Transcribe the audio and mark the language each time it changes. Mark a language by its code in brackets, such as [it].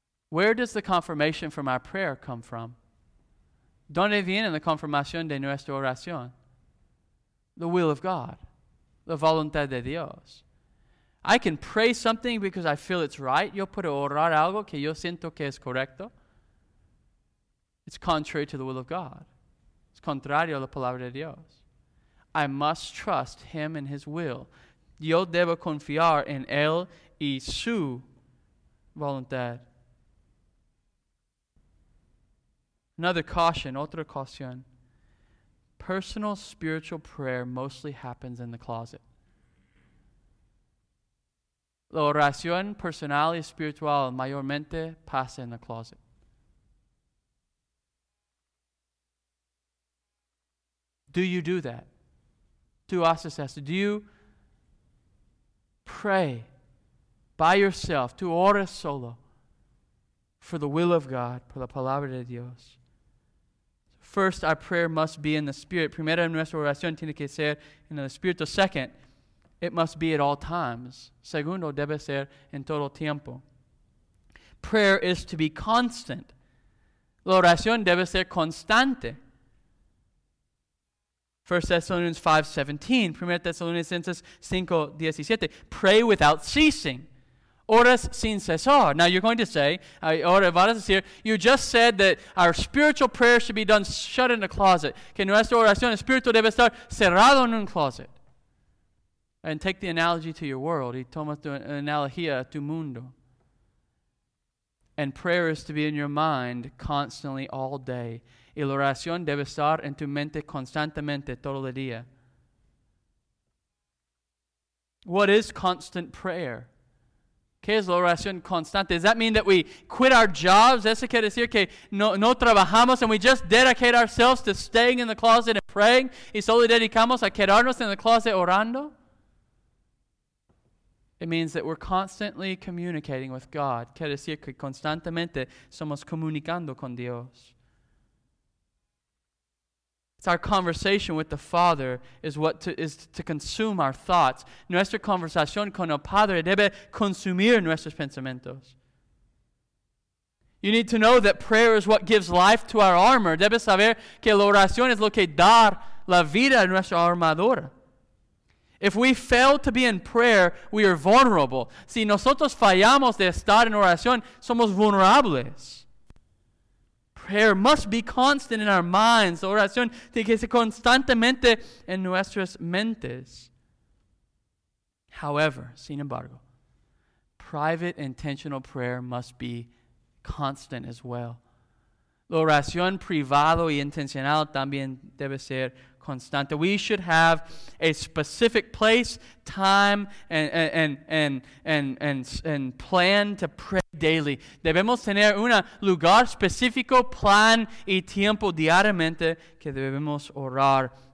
[en] Where does the confirmation from our prayer come from? [es] ¿Dónde viene la confirmación de nuestra oración? [en] The will of God. [es] La voluntad de Dios. [en] I can pray something because I feel it's right. [es] Yo puedo orar algo que yo siento que es correcto. [en] It's contrary to the will of God. It's [es] contrario a la palabra de Dios. [en] I must trust Him and His will. [es] Yo debo confiar en Él y su voluntad. [en] Another caution, [es] otra caution. [en] Personal spiritual prayer mostly happens in the closet. [es] La oración personal y espiritual mayormente pasa en el closet. [en] Do you do that? [es] Tú haces esto. [en] Do you pray by yourself? [es] Tú oras solo [en] for the will of God, [es] por la palabra de Dios. [en] First, our prayer must be in the Spirit. [es] Primero, nuestra oración tiene que ser en el Espíritu. [en] Second, it must be at all times. [es] Segundo, debe ser en todo tiempo. [en] Prayer is to be constant. [es] La oración debe ser constante. [en] 1 Thessalonians 5:17. 1 Thessalonians 5:17. Pray without ceasing. [es] Oras sin cesar. [en] Now you're going to say, you just said that our spiritual prayer should be done shut in a closet. [es] Que nuestra oración espiritual debe estar cerrado en un closet. [en] And take the analogy to your world. [es] Y toma tu analogía a tu mundo. [en] And prayer is to be in your mind constantly all day. [es] Y la oración debe estar en tu mente constantemente todo el día. [en] What is constant prayer? [es] ¿Qué es la oración constante? [en] Does that mean that we quit our jobs? [es] ¿Eso quiere decir que no trabajamos [en] and we just dedicate ourselves to staying in the closet and praying? [es] ¿Y solo dedicamos a quedarnos en el closet orando? [en] It means that we're constantly communicating with God. [es] Quiere decir que constantemente somos comunicando con Dios. [en] It's our conversation with the Father is to consume our thoughts. [es] Nuestra conversación con el Padre debe consumir nuestros pensamientos. [en] You need to know that prayer is what gives life to our armor. [es] Debe saber que la oración es lo que da la vida a nuestra armadura. [en] If we fail to be in prayer, we are vulnerable. [es] Si nosotros fallamos de estar en oración, somos vulnerables. [en] Prayer must be constant in our minds. [es] La oración tiene que ser constantemente en nuestras mentes. [en] However, [es] sin embargo, [en] private intentional prayer must be constant as well. [es] La oración privado y intencional también debe ser constante. [en] We should have a specific place, time, and plan to pray daily. [es] Debemos tener un lugar específico, plan y tiempo diariamente que debemos orar.